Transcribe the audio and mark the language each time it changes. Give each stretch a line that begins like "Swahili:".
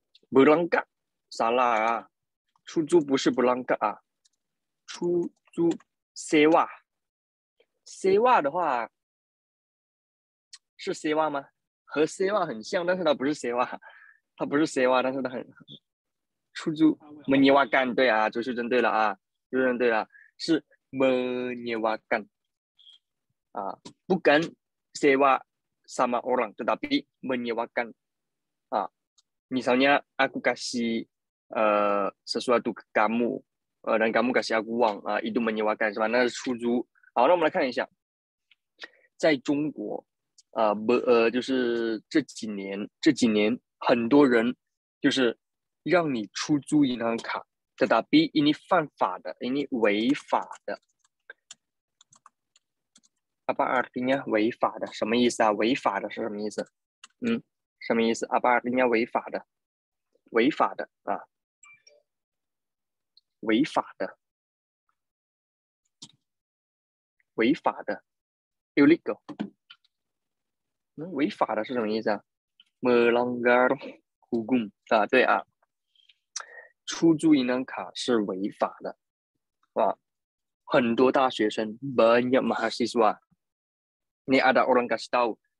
Indonesian: Berlengkap. Salah
Chinese: 啊.出租不是berlengkap 啊. 出租.Sewa. Sewa的话, 是sewa吗? 和sewa很像, 但是它不是sewa. 它不是sewa, 但是它很... 出租
Indonesian: menyewakan
Chinese: 对啊, 就是针对了啊, 就是针对啊, 是
Indonesian: menyewakan 啊, bukan sewa sama orang, tetapi menyewakan 啊, misalnya aku kasih sesuatu ke kamu dan kamu kasih aku uang, itu menyewakan, 是吧?
Chinese: 那是出租. 好, 那我们来看一下, 在中国, 就是这几年, 这几年, 很多人, 就是, 让你出租银行卡,
Indonesian: tetapi ini
Chinese: 犯法的,
Indonesian: ini
Chinese: 违法的.
Indonesian: Apa artinya 违法的?
Chinese: 什么意思啊?违法的是什么意思?什么意思?
Indonesian: Apa artinya 违法的?
Chinese: 违法的, 啊, 违法的, 违法的, illegal. 违法的是什么意思啊?
Indonesian: Melanggar hukum,
Chinese: 啊, 对啊, 出租银行卡是违法的, 哇, 很多大学生,
Indonesian: banyak mahasiswa, ini ada orang kasih tahu,